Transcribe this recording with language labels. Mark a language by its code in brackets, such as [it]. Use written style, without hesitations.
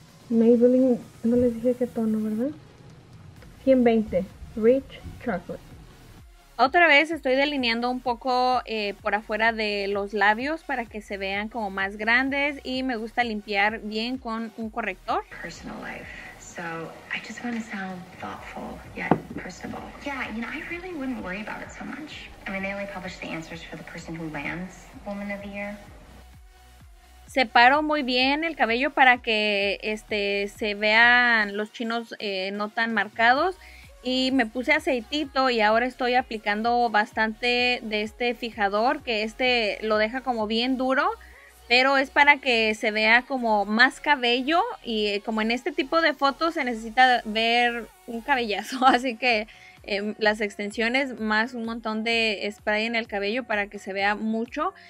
[es] Maybelline, no les dije qué tono, ¿verdad? 120, Rich Chocolate. Otra vez estoy delineando un poco por afuera de los labios para que se vean como más grandes y me gusta limpiar bien con un corrector. [en] Personal life. So, I just want to sound thoughtful yet personable. Yeah, you know, I really wouldn't worry about it so much. I mean, they only publish the answers for the person who lands Woman of the Year. [es] Separo muy bien el cabello para que se vean los chinos no tan marcados. Y me puse aceitito y ahora estoy aplicando bastante de este fijador, que lo deja como bien duro, pero es para que se vea como más cabello, y como en este tipo de fotos se necesita ver un cabellazo, así que las extensiones más un montón de spray en el cabello para que se vea mucho.